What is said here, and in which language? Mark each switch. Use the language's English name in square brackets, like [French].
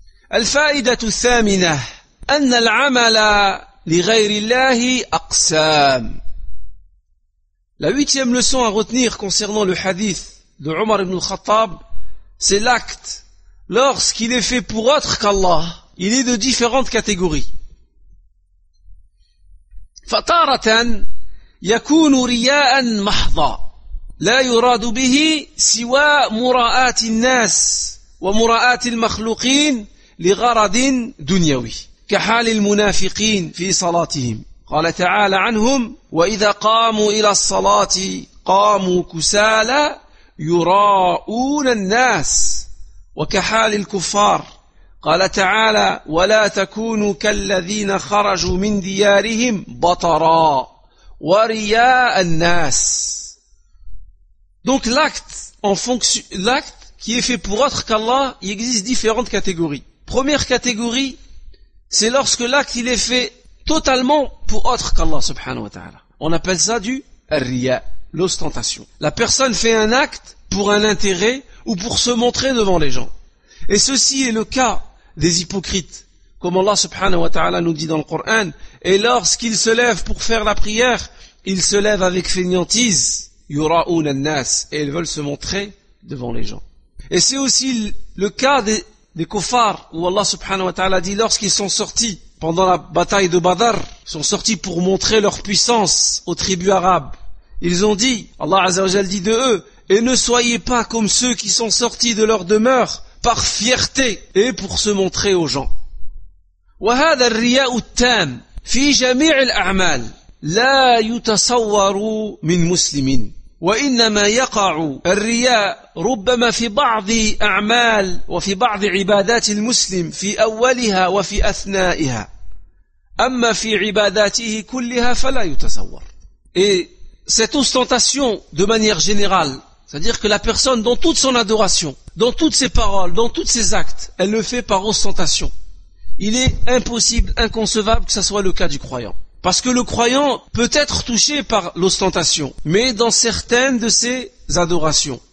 [Arabic] Al-fa'idatu thamina, anna al-amala li ghayrillahi aqsam. [French] La huitième leçon à retenir concernant le hadith de Omar ibn Khattab, c'est l'acte. Lorsqu'il est fait pour autre qu'Allah, il est de différentes catégories. [Arabic] فطارة يكون رياء محض لا يراد به سوى مراءة الناس ومراءة المخلوقين لغرض دنيوي كحال المنافقين في صلاتهم قال تعالى عنهم وإذا قاموا إلى الصلاة قاموا كسالى يراءون الناس وكحال الكفار قال تعالى ولا تكونوا كالذين خرجوا من ديارهم بطرا ورياء الناس. [French] Donc l'acte qui est fait pour autre qu'Allah, il existe différentes catégories. Première catégorie, c'est lorsque l'acte il est fait totalement pour autre qu'Allah subhanahu wa ta'ala. On appelle ça du riya, l'ostentation. La personne fait un acte pour un intérêt ou pour se montrer devant les gens. Et ceci est le cas des hypocrites, comme Allah subhanahu wa ta'ala nous dit dans le Coran, et lorsqu'il se lève pour faire la prière, il se lève avec fainéantise, [Arabic] yura'un an-nas, [French] et ils veulent se montrer devant les gens. Et c'est aussi le cas des kuffars, où Allah subhanahu wa ta'ala dit, lorsqu'ils sont sortis pendant la bataille de Badr, sont sortis pour montrer leur puissance aux tribus arabes, Ils ont dit, Allah Azza wa Jal dit de eux, et ne soyez pas comme ceux qui sont sortis de leur demeure par fierté et pour se montrer aux gens. [Arabic] وهذا الرياء التام في جميع الأعمال لا يتصور من مسلم وإنما يقع الرياء ربما في بعض أعمال وفي بعض عبادات المسلم في أولها وفي أثنائها أما في عباداته كلها فلا يتصور. [French] Et cette ostentation de manière générale, c'est-à-dire que la personne dans toute son adoration, dans toutes ses paroles, dans tous ses actes, elle le fait par ostentation. Il est impossible, inconcevable que ce soit le cas du croyant. Parce que le croyant peut être touché par l'ostentation, mais dans certaines de ses adorations.